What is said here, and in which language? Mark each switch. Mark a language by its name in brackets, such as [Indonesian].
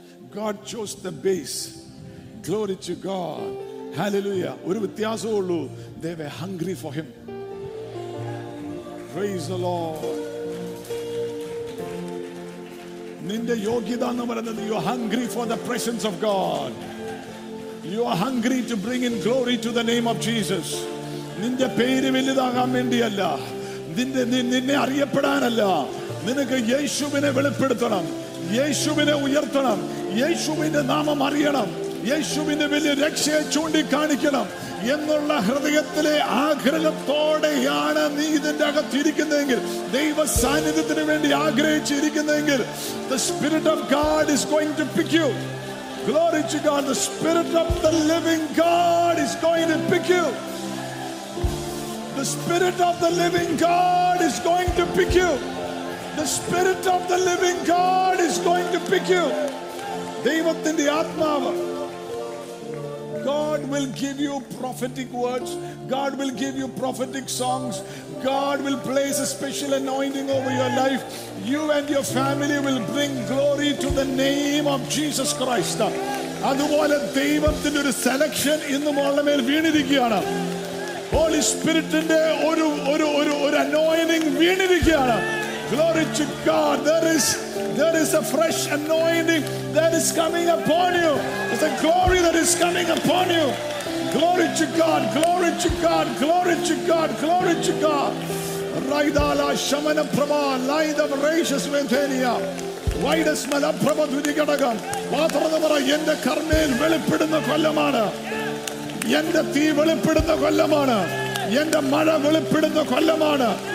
[English] God chose the base. Glory to God. Hallelujah. ഒരു വ്യത്യാസമേ ഉള്ളൂ, they were hungry for him. Praise the Lord. നിന്റെ യോഗ്യത എന്ന് പറയുന്നത്, you are hungry for the presence of God. You are hungry to bring in glory to the name of Jesus. [Malayalam] നിന്റെ പേര് വലുതാകാൻ വേണ്ടിയല്ല, നിന്നെ അറിയപ്പെടാനല്ല, നിനക്ക് യേശുവിനെ വെളിപ്പെടുത്തണം, യേശുവിനെ ഉയർത്തണം, യേശുവിന്റെ നാമം അറിയണം, യേശുവിന്റെ വലിയ രക്ഷയെ ചൂണ്ടിക്കാണിക്കണം എന്നുള്ള ഹൃദയത്തിലെ ആഗ്രഹത്തോടെയാണ് നീ ഇതിന്റെ അകത്തിരിക്കുന്നതെങ്കിൽ, ദൈവ സാന്നിധ്യത്തിന് വേണ്ടി ആഗ്രഹിച്ചിരിക്കുന്നതെങ്കിൽ, the spirit of God is going to pick you. [English] Glory to God. The spirit of the living God is going to pick you. The spirit of the living God is going to pick you. The spirit of the living God is going to pick you. ദൈവത്തിന്റെ ആത്മാവ്. God will give you prophetic words. God will give you prophetic songs. God will place a special anointing over your life. You and your family will bring glory to the name of Jesus Christ. [Malayalam] അതുപോലെ ദൈവത്തിന്റെ ഒരു selection ഇന്നും നമ്മുടെ മേൽ വീണിരിക്കുകയാണ്. Holy സ്പിരിറ്റിന്റെ ഒരു ഒരു ഒരു ഒരു അനോയിനിങ് വീണിരിക്കുകയാണ്. [English] Glory to God. There is a fresh anointing that is coming upon you. There's a glory that is coming upon you. Glory to God. Glory to God. Glory to God. Glory to God. Raidala shamana prama laida gracious venthenia vaidas mala prama dvigadagam vaathrana mara enna karmel velippidunna kollamana enna thee velippidunna kollamana enna mala velippidunna kollamana.